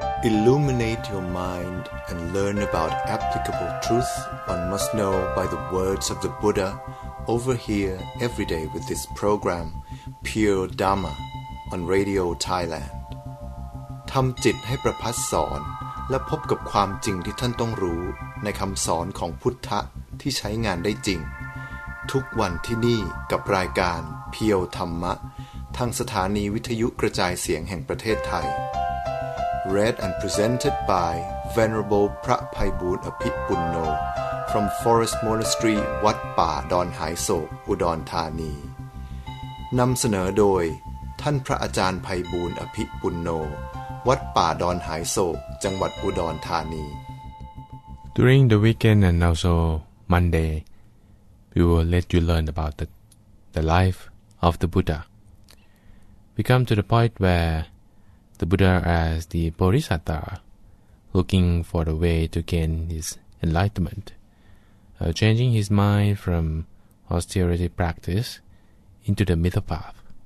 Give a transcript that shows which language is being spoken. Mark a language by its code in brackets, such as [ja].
[en] Illuminate your mind and learn about applicable truth one must know by the words of the Buddha over here every day with this program, Pure Dharma, on Radio Thailand. [th] ทำจิตให้ประพัสสอนและพบกับความจริงที่ท่านต้องรู้ในคำสอนของพุทธะที่ใช้งานได้จริงทุกวันที่นี่กับรายการเพียวธรรมะทางสถานีวิทยุกระจายเสียงแห่งประเทศไทย [en] Read and presented by Venerable พระไพบูลย์อภิปุณโญ from Forest Monastery วัดป่าดอนหายโศกอุดรธานี [th] นำเสนอโดยท่านพระอาจารย์ไพบูลย์อภิปุณโญวัดป่าดอนหายโศกจังหวัดอุดรธานี [en] During the weekend and also Monday, we will let you learn about the life of the Buddha. We come to the point where the Buddha as the Bodhisattva, looking for the way to gain his enlightenment, changing his mind from austerity practice into the middle path.